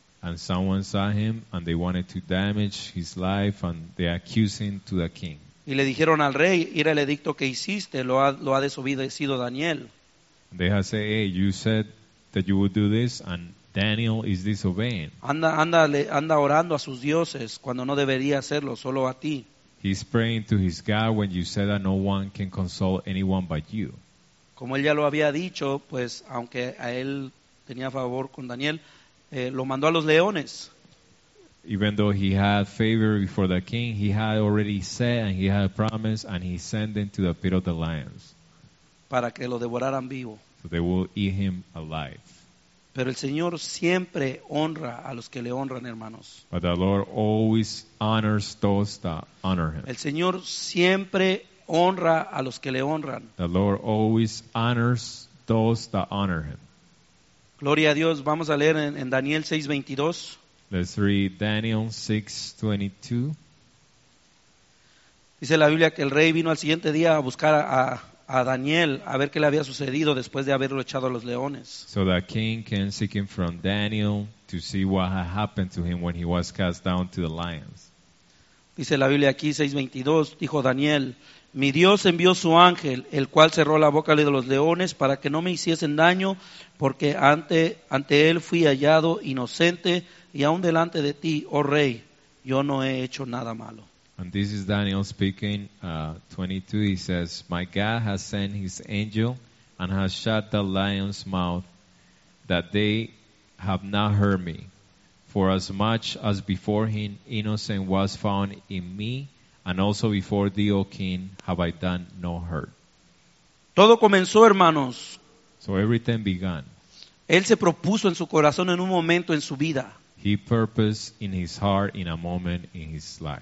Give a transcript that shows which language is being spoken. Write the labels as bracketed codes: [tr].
[en] And someone saw him, and they wanted to damage his life, and they accused him to the king. [es] Y le dijeron al rey, mira el edicto que hiciste, lo ha desobedecido Daniel. [en] They had said, hey, you said that you would do this, and Daniel is disobeying. [es] Anda orando a sus dioses cuando no debería hacerlo, solo a ti. [en] He's praying to his God when you said that no one can console anyone but you. [es] Como él ya lo había dicho, pues aunque a él tenía favor con Daniel, lo mandó a los leones. [en] Even though he had favor before the king, he had already said and he had promised, and he sent them to the pit of the lions. [es] Para que lo devoraran vivo. [en] So they will eat him alive. [es] Pero el Señor siempre honra a los que le honran, hermanos. [en] But the Lord always honors those that honor him. [es] El Señor siempre honra a los que le honran. [en] The Lord always honors those that honor him. [es] Gloria a Dios. Vamos a leer en Daniel 6:22. [en] Let's read Daniel 6:22. [es] Dice la Biblia que el rey vino al siguiente día a buscar a Daniel, a ver qué le había sucedido después de haberlo echado a los leones. [en] So the king came seeking from Daniel to see what had happened to him when he was cast down to the lions. [es] Dice la Biblia aquí 6:22, dijo Daniel, mi Dios envió su ángel, el cual cerró la boca de los leones para que no me hiciesen daño, porque ante él fui hallado inocente. Y aún delante de ti, oh rey, yo no he hecho nada malo. [en] And this is Daniel speaking, 22. He says, my God has sent his angel and has shut the lion's mouth, that they have not heard me. For as much as before him innocent was found in me, and also before thee, O King, have I done no hurt. [es] Todo comenzó, hermanos. [en] So everything began. [es] Él se propuso en su corazón en un momento en su vida. [en] He purposed in his heart in a moment in his life.